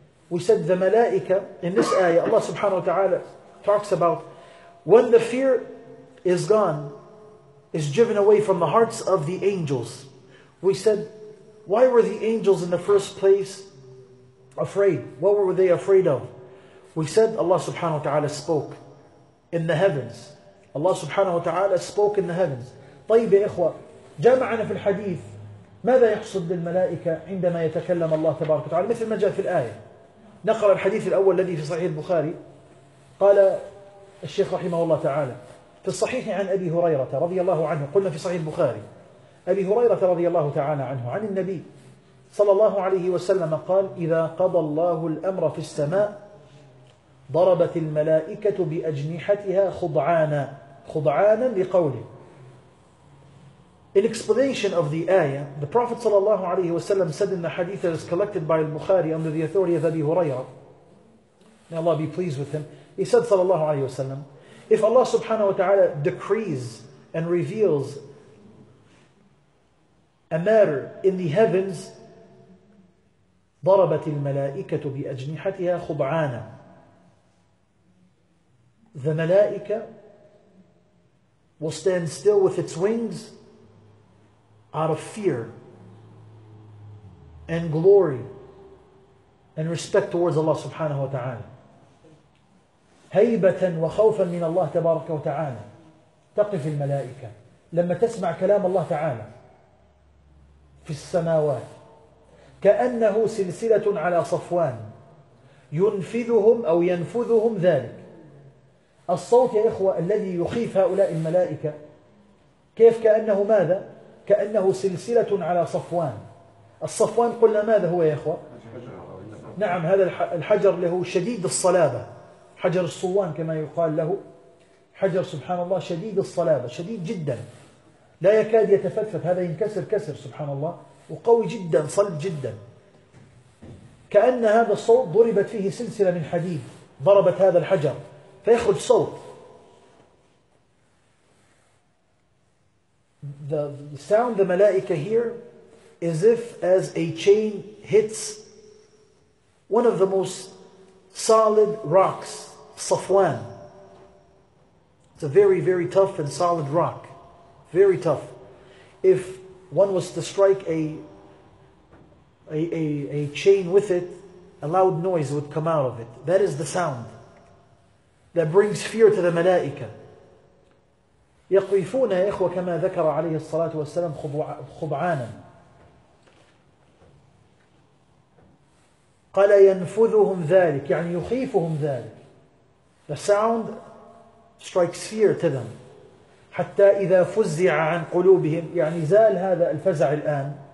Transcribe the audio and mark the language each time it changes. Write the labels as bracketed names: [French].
[English] We said the ملائكة in this ayah, Allah subhanahu wa ta'ala talks about when the fear is gone, is driven away from the hearts of the angels. We said, why were the angels in the first place afraid? What were they afraid of? We said, Allah subhanahu wa ta'ala spoke in the heavens. Allah subhanahu wa ta'ala spoke in the heavens. [Arabic] طيب يا إخوة، جمعنا في الحديث ماذا يقصد للملائكة عندما يتكلم الله تبارك وتعالى مثل ما جاء في الآية. نقرأ الحديث الأول الذي في صحيح البخاري. قال الشيخ رحمه الله تعالى في الصحيح عن أبي هريرة رضي الله عنه، قلنا في صحيح البخاري، أبي هريرة رضي الله تعالى عنه عن النبي صلى الله عليه وسلم قال: إذا قضى الله الأمر في السماء ضربت الملائكة بأجنحتها خضعانا. خضعانا لقوله. [English] In explanation of the ayah, the Prophet [Arabic] صلى الله عليه وسلم [English] said in the hadith that is collected by al-Bukhari under the authority of Abi Huraira, may Allah be pleased with him, he said صلى الله عليه وسلم, if Allah subhanahu wa ta'ala decrees and reveals a matter in the heavens, [Arabic] ضربت الملائكة بأجنحتها خضعانا. [English] The malaika will stand still with its wings out of fear and glory and respect towards Allah subhanahu wa ta'ala. [Arabic] هَيْبَةً وَخَوْفًا مِنَ اللَّهِ تَبَارَكَ وَتَعَالَى. تقف الملائكة لما تسمع كلام الله تعالى في السماوات كأنه سلسلة على صفوان ينفذهم أو ينفذهم ذلك. الصوت يا إخوة الذي يخيف هؤلاء الملائكة كيف؟ كأنه ماذا؟ كأنه سلسلة على صفوان. الصفوان قلنا ماذا هو يا إخوة؟ نعم، هذا الحجر له شديد الصلابة، حجر الصوان كما يقال له، حجر سبحان الله شديد الصلابة، شديد جدا، لا يكاد يتفتفت، هذا ينكسر كسر سبحان الله، وقوي جدا، صلب جدا. كأن هذا الصوت ضربت فيه سلسلة من حديد، ضربت هذا الحجر فيخرج صوت. [English] The sound the malaika hear is if as a chain hits one of the most solid rocks, Safwan. It's a very, very tough and solid rock. Very tough. If one was to strike a chain with it, a loud noise would come out of it. That is the sound that brings fear to the malaika. [Arabic] يقفون يا إخوة كما ذكر عليه الصلاة والسلام خبعانا. قال ينفذهم ذلك يعني يخيفهم ذلك. [English] The sound strikes fear to them. [Arabic] حتى إذا فزع عن قلوبهم يعني زال هذا الفزع الآن.